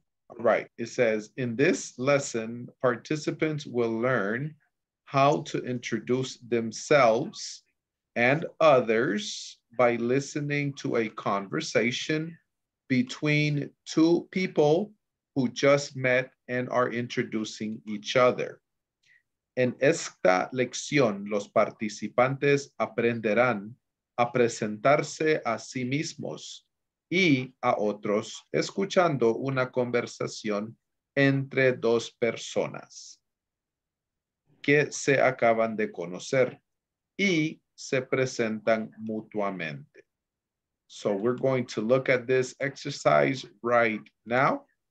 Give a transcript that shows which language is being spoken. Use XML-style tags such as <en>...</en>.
<en>All right, it says, in this lesson, participants will learn how to introduce themselves and others by listening to a conversation between two people who just met and are introducing each other.</en> <es>En esta lección, los participantes aprenderán a presentarse a sí mismos y a otros escuchando una conversación entre dos personas que se acaban de conocer y se presentan mutuamente.</es> <en>So we're going to look at this exercise right now.</en>